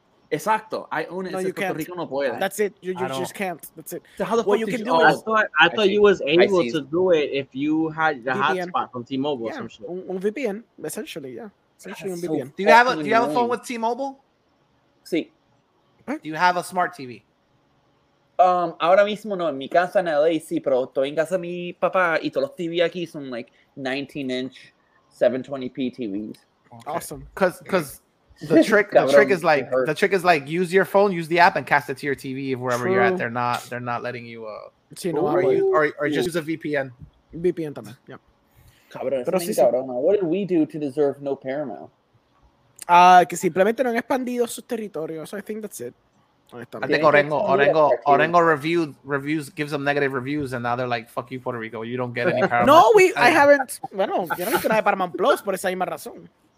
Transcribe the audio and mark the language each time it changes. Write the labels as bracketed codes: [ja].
[en] Exacto. I own it. No, you can't. [es] Rico no puede. [en] That's it. You just can't. That's it. So how the fuck can you do it? I thought you was able to do it if you had the hotspot from T-Mobile or some shit. On VPN, essentially, yeah. Essentially on VPN. So do you have a phone with T-Mobile? [es] Sí. [en] Do you have a smart TV? [es] Ahora mismo no. En mi casa en LA, sí, pero estoy en casa de mi papá y todos los TV aquí son [en] like 19-inch 720p TVs. Okay. Awesome. The trick is like use your phone, use the app, and cast it to your TV wherever you're at. They're not letting you or use a VPN. [es] VPN también. Yeah. [en] What did we do to deserve no Paramount? [es] Que simplemente no han expandido sus territorios. [en] So I think that's it. I think Orengo reviews gives them negative reviews, and now they're like, fuck you, Puerto Rico. You don't get any Paramount. [es] Yo no tengo Paramount Plus por esa misma razón.